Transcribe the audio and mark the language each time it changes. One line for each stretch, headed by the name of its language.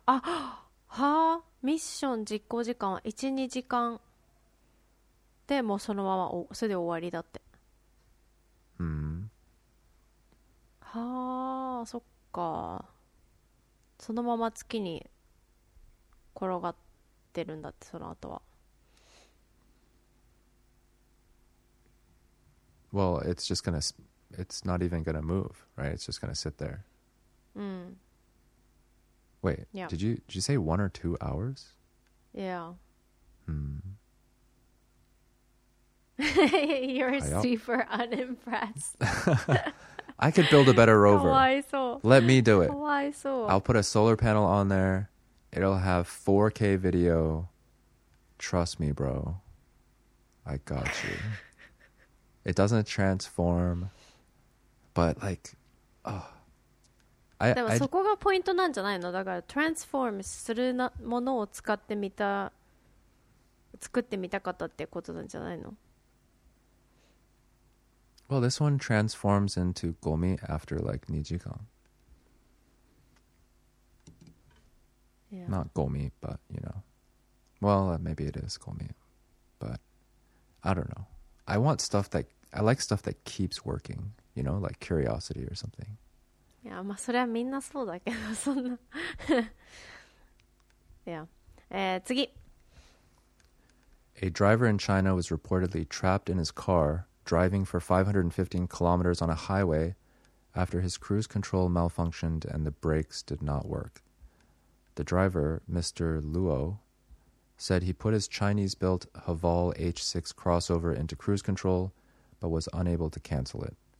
Japanese: あ、はあ、ミッション実行時間は 1,2 時間でもうそのままそれで終わりだって。うん。はあ、そっか。そのまま月に転がってるんだってその後は。
English: Well, it's just gonna, it's not even gonna move, right? It's just gonna sit there. Wait, did you say 1 or 2 hours? Yeah. Hmm. You're super unimpressed. I could build a better rover.
Japanese: Kawaiso.
English: Let me do it.
Japanese: Kawaiso.
English: I'll put a solar panel on there. It'll have 4K video. Trust me, bro. I got you. It doesn't transform, but like, oh, I.
Japanese: でもそこがポイントなんじゃないの。だから transform するなものを使ってみた、作ってみたかったってことなんじゃないの。
English: Well, this one transforms into gomi after like
Japanese: 2 時間.
English: Yeah. Not gomi, but you know, well, maybe it is gomi, but I don't know. I want stuff that. I like stuff that keeps working, you know, like curiosity or something. Yeah,
Japanese: まあそれはみんなそうだけどそんな。
English: Yeah.
Japanese: 次。
English: A driver in China was reportedly trapped in his car, driving for 515 kilometers on a highway after his cruise control malfunctioned and the brakes did not work. The driver, Mr. Luo, said he put his Chinese-built Haval H6 crossover into cruise control,but was unable to cancel it.